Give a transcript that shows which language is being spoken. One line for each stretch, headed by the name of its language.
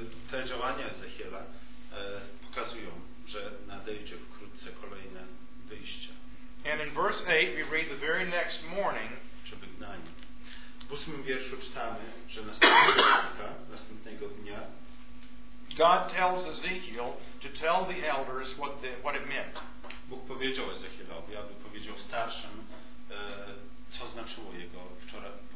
Polish: Te działania Ezechiela pokazują, że nadejdzie wkrótce kolejne wyjście.
English: And in verse 8 we read the very next morning,
Polish: przebygnanie. W 8 wierszu czytamy, że następnego dnia
English: God tells Ezekiel to tell the elders what it meant.
Polish: Bóg powiedział Ezechielowi, aby powiedział starszym, co znaczyło jego wczoraj,